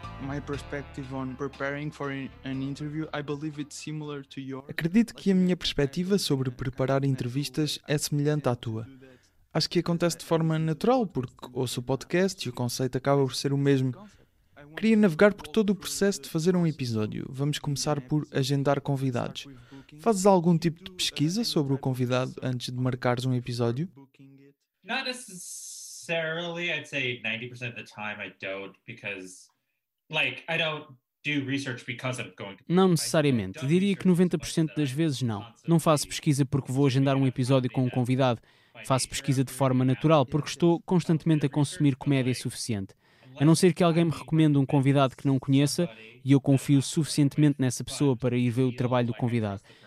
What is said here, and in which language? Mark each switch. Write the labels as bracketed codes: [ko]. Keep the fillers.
[en] my perspective on preparing for an interview, I believe it's similar to your... [pt] Acredito que a minha perspectiva sobre preparar entrevistas é semelhante à tua. Acho que acontece de forma natural, porque ouço o podcast e o conceito acaba por ser o mesmo. Queria navegar por todo o processo de fazer um episódio. Vamos começar por agendar convidados. Fazes algum tipo de pesquisa sobre o convidado antes de marcares um episódio? [en] Not necessarily. I'd say 90% of the time I don't because like I don't do research because I'm going to [pt] Não necessariamente. Diria que 90% das vezes não. Não faço pesquisa porque vou agendar um episódio com um convidado. Faço pesquisa de forma natural porque estou constantemente a consumir comédia suficiente. A não ser que alguém me recomende um convidado que não conheça e eu confio suficientemente nessa pessoa para ir ver o trabalho do convidado.